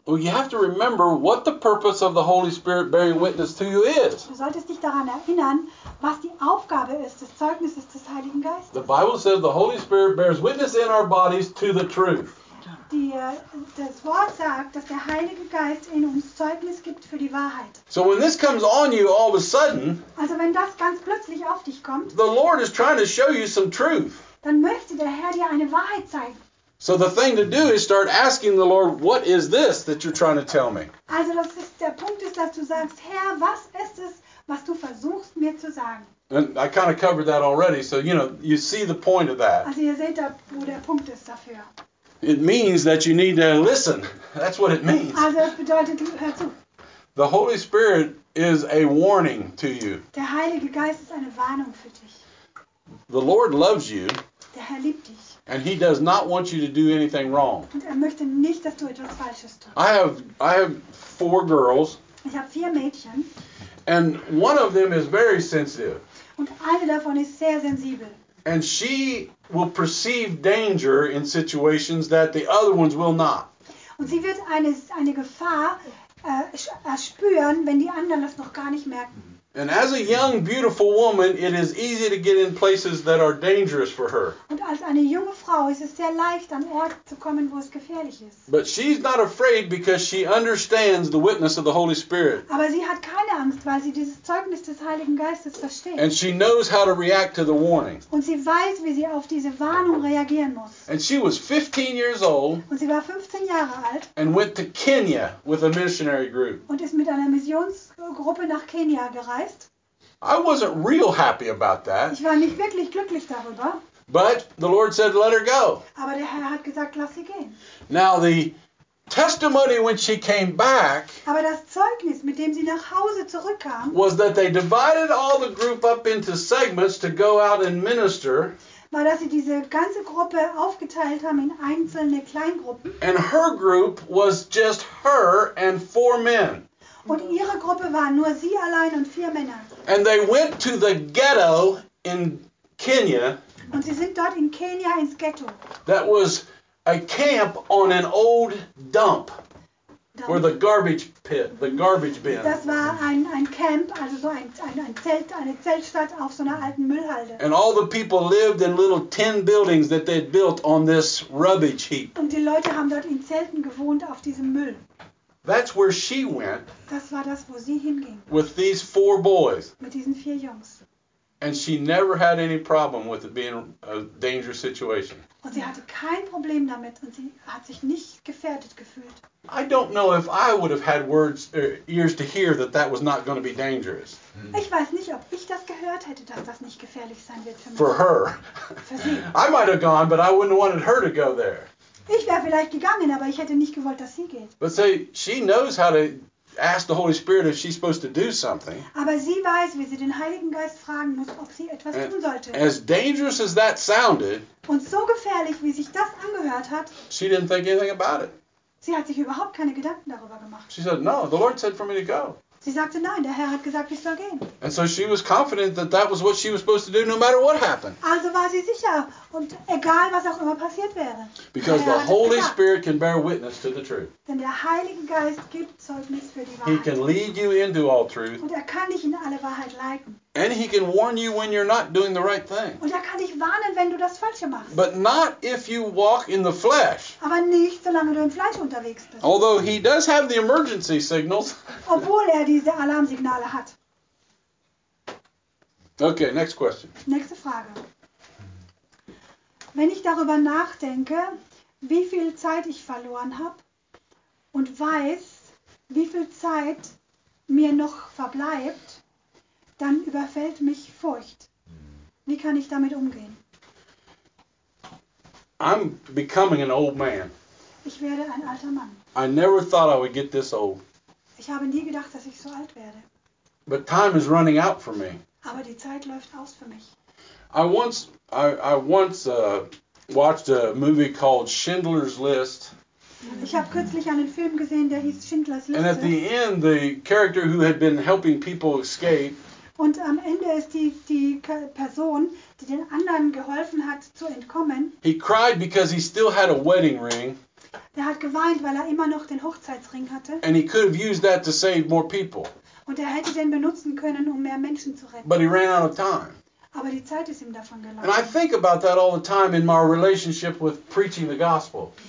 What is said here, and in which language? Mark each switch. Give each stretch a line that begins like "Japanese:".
English: Well, you have to remember what the purpose of the Holy Spirit bearing witness to you is.
German: Du solltest dich daran erinnern, was die Aufgabe ist, des Zeugnisses des Heiligen Geistes.
English: The Bible says the Holy Spirit bears witness in our bodies to the truth.
German: Das Wort sagt, dass der Heilige Geist in uns Zeugnis gibt für die Wahrheit.
English: So when this comes on you all of a sudden,
German: also wenn das ganz plötzlich auf dich kommt,
English: the Lord is trying to show you some truth.
German: Dann möchte der Herr dir eine Wahrheit zeigen.
English: So the thing to do is start asking the Lord, what is this that you're trying to tell me?
German: Also das ist der Punkt ist, dass du sagst, Herr, was ist es, was du versuchst mir zu sagen?
English: And I kind of covered that already, so you know, you see the point of that.
German: Also ihr seht da, wo der Punkt ist dafür.
English: It means that you need to listen. That's what it means.
German: Also, es bedeutet, hör zu.
English: The Holy Spirit is a warning to you.
German: Der Heilige Geist ist eine Warnung für dich.
English: The Lord loves you.
German: Der Herr liebt dich.
English: And he does not want you to do anything wrong.
German: Und er möchte nicht, dass du etwas Falsches tust.
English: I have four girls.
German: Ich habe vier Mädchen.
English: And one of them is very sensitive.
German: Und eine davon ist sehr sensibel.
English: And she will perceive danger in situations that the other ones will not.
German: Und sie wird eine Gefahr erspüren, wenn die anderen das noch gar nicht merken.
English: And as a young, beautiful woman, it is easy to get in places that are dangerous for her.
German: Und als eine junge Frau ist es sehr leicht, an Orte zu kommen, wo es gefährlich ist.
English: But she's not afraid because she understands the witness of the Holy Spirit.
German: Aber sie hat keine Angst, weil sie dieses Zeugnis des Heiligen Geistes versteht.
English: And she knows how to react to the warning.
German: Und sie weiß, wie sie auf diese Warnung reagieren muss.
English: And she was 15 years old.
German: Und sie war 15 Jahre alt.
English: And went to Kenya with a missionary group.
German: Und ist mit einer Missionsgruppe nach Kenia gereist.
English: I wasn't real happy about that.
German: Ich war nicht wirklich glücklich darüber.
English: But the Lord said, let her go.
German: Aber der Herr hat gesagt, lass sie gehen.
English: Now the testimony when she came back.
German: Aber das Zeugnis, mit dem sie nach Hause zurückkam,
English: was that they divided all the group up into segments to go out and minister.
German: War, dass sie diese ganze Gruppe aufgeteilt haben in einzelne Kleingruppen.
English: And her group was just her and four men.
German: Und ihre Gruppe waren nur sie allein und vier Männer.
English: And they went to the ghetto in Kenya.
German: Und sie sind dort in Kenia ins Ghetto.
English: That was a camp on an old dump. Or the garbage pit, the garbage bin.
German: Das war ein Camp, also so ein Zelt, eine Zeltstadt auf so einer alten Müllhalde.
English: And all the people lived in little tin buildings that they'd built on this rubbish heap.
German: Und die Leute haben dort in Zelten gewohnt auf diesem Müll.
English: That's where she went.
German: Das war das, wo sie hinging.
English: With these four boys.
German: Mit diesen vier Jungs.
English: And she never had any problem with it being a dangerous situation.
German: Und sie hatte kein Problem damit und sie hat sich nicht gefährdet gefühlt.
English: I don't know if I would have had words or ears to hear that that was not going to be dangerous.
German: Ich weiß nicht, ob ich das gehört hätte, dass das nicht gefährlich sein wird für mich.
English: For her.
German: Für sie.
English: I might have gone, but I wouldn't have wanted her to go there.
German: Ich wäre vielleicht gegangen, aber ich hätte nicht gewollt, dass sie geht.
English: But say, she knows how to ask the Holy Spirit if she's supposed to do something.
German: Aber sie weiß, wie sie den Heiligen Geist fragen muss, ob sie etwas
English: and
German: tun sollte.
English: As dangerous as that sounded.
German: Und so gefährlich, wie sich das angehört hat.
English: She didn't think anything about it.
German: Sie hat sich überhaupt keine Gedanken darüber gemacht.
English: She said, no, the Lord said for me to go.
German: Sie sagte, nein, der Herr hat gesagt, ich soll gehen.
English: And so she was confident that that was what she was supposed to do no matter what happened.
German: Also war sie sicher und egal was auch immer passiert wäre.
English: Because the Holy Spirit can bear witness to the truth.
German: Denn der Heilige Geist gibt Zeugnis für die Wahrheit.
English: He can lead you into all truth.
German: Und er kann dich in alle Wahrheit leiten.
English: And he can warn you when you're not doing the right thing.
German: Und er kann dich warnen, wenn du das Falsche machst.
English: But not if you walk in the flesh.
German: Aber nicht, solange du im Fleisch unterwegs bist.
English: Although he does have the emergency signals.
German: Obwohl er diese Alarmsignale hat.
English: Okay, next question.
German: Nächste Frage. Wenn ich darüber nachdenke, wie viel Zeit ich verloren habe und weiß, wie viel Zeit mir noch verbleibt, dann überfällt mich Furcht. Wie kann ich damit umgehen?
English: I'm becoming an old man.
German: Ich werde ein alter Mann.
English: I never thought I would get this old.
German: Ich habe nie gedacht, dass ich so alt werde.
English: But time is running out for me.
German: Aber die Zeit läuft aus für mich.
English: I once watched a movie called Schindler's List.
German: Ich habe kürzlich einen Film gesehen, der hieß Schindlers Liste.
English: And at the end, the character who had been helping people escape.
German: Und am Ende ist die Person, die den anderen geholfen hat, zu entkommen.
English: He cried because he still had a wedding ring.
German: Er hat geweint, weil er immer noch den Hochzeitsring hatte.
English: And he could have used that to save more people.
German: Und er hätte den benutzen können, um mehr Menschen zu retten.
English: But he ran out of time.
German: Aber die Zeit ist ihm davon gelaufen.
English: And I think about that all the time in my relationship with preaching the gospel.